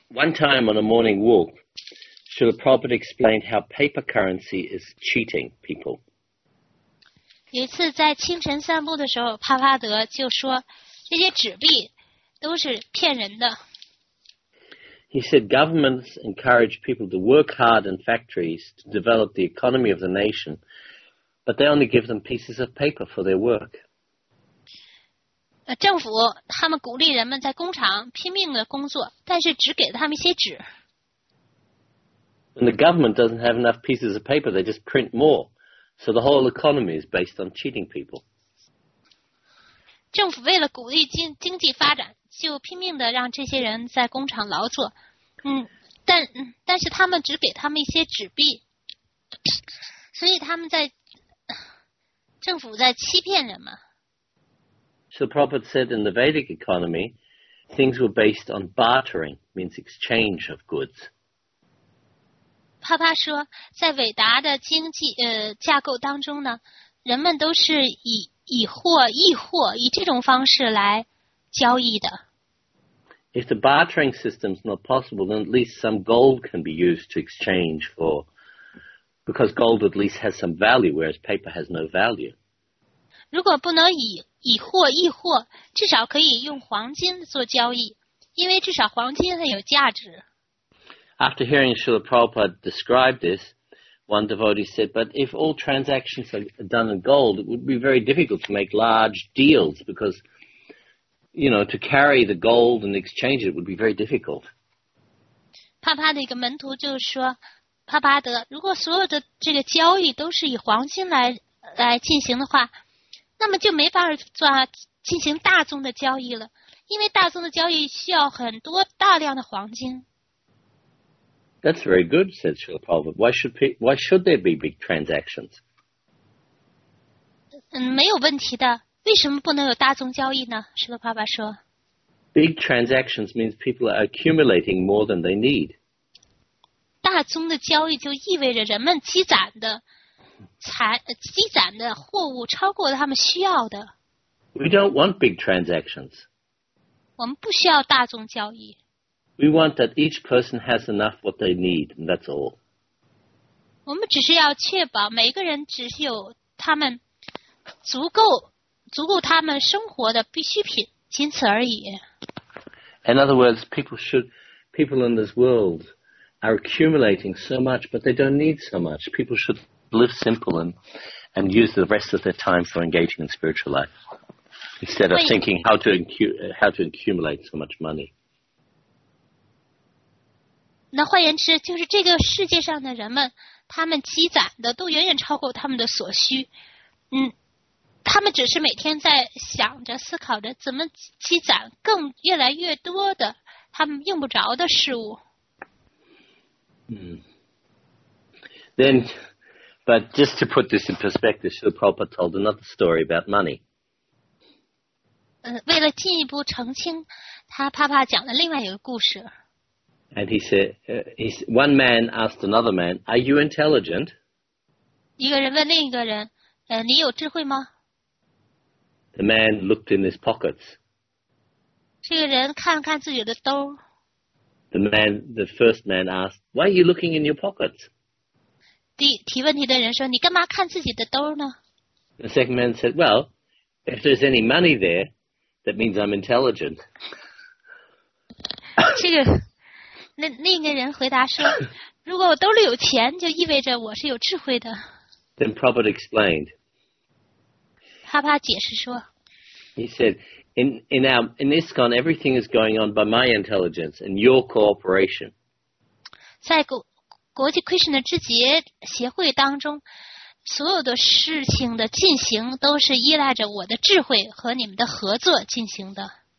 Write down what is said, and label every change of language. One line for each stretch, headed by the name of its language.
English: One time on a morning walk, Srila Prabhupada explained how paper currency is cheating people.
Chinese: 有一次在清晨散步的时候，帕帕德就说，这些纸币都是骗人的。
English: He said governments encourage people to work hard in factories to develop the economy of the nation, but they only give them pieces of paper for their work.
Chinese: 政府他们鼓励人们在工厂拼命的工作，但是只给了他们一些纸。
English: When the government doesn't have enough pieces of paper, they just print more. So the whole economy is based on cheating people.
Chinese: 政府为了鼓励经济发展，就拼命的让这些人在工厂劳作。但是他们只给他们一些纸币，所以他们在政府在欺骗人们。
English: So Prabhupada said in the Vedic economy, things were based on bartering, means exchange of goods.
Chinese: 帕帕说，在伟达的经济架构当中呢，人们都是以货易货，以这种方式来交易的。
English: If the bartering system is not possible, then at least some gold can be used to exchange for, because gold at least has some value, whereas paper has no value.
Chinese: 如果不能以货易货，至少可以用黄金做交易，因为至少黄金它有价值。
English: After hearing Srila Prabhupada describe this, one devotee said, but if all transactions are done in gold, it would be very difficult to make large deals because, you know, to carry the gold and exchange it would be very difficult.
Chinese: 帕帕的一个门徒就说，帕帕德，如果所有的这个交易都是以黄金来进行的话，那么就没法进行大宗的交易了，因为大宗的交易需要很多大量的黄金。
English: That's very good, said Srila Prabhupada. Why should there be big transactions?
Chinese: 没有问题的。为什么不能有大宗交易呢？释迦牟尼佛说。
English: Big transactions means people are accumulating more than they need.
Chinese: 大宗的交易就意味着人们积攒的货物超过了他们需要的。
English: We don't want big transactions.
Chinese: 我们不需要大宗交易。
English: We want that each person has enough what they need, and that's all.
Chinese: 我们只是要确保每个人只有他们足够他们生活的必需品，仅此而已。
English: In other words, people should people in this world are accumulating so much, but they don't need so much. People should live simple and use the rest of their time for engaging in spiritual life instead of thinking how to accumulate so much money.
Chinese: 那换言之，就是这个世界上的人们，他们积攒的都远远超过他们的所需。嗯，他们只是每天在想着、思考着怎么积攒更越来越多的他们用不着的事物。
English: Then, but just to put this in perspective, Srila Prabhupada told another story about money.
Chinese: 为了进一步澄清，他帕帕讲了另外一个故事。
English: And he said, one man asked another man, "Are you intelligent?"
Chinese: 一个人问另一个人，你有智慧吗？
English: The man looked in his pockets.
Chinese: 这个人看看自己的兜。
English: The first man asked, "Why are you looking in your pockets?"
Chinese: 提问题的人说，你干嘛看自己的兜呢？
English: The second man said, "Well, if there's any money there, that means I'm intelligent."
Chinese: 这个。另一个人回答说，如果我兜里有钱，就意味着我是有智慧的。
English: Then Prabhupada explained.
Chinese: 帕帕解释说。
English: He said, in ISKCON, everything is going on by my intelligence and your cooperation.
Chinese: 在国际 Krishna 智节协会当中，所有的事情的进行都是依赖着我的智慧和你们的合作进行的。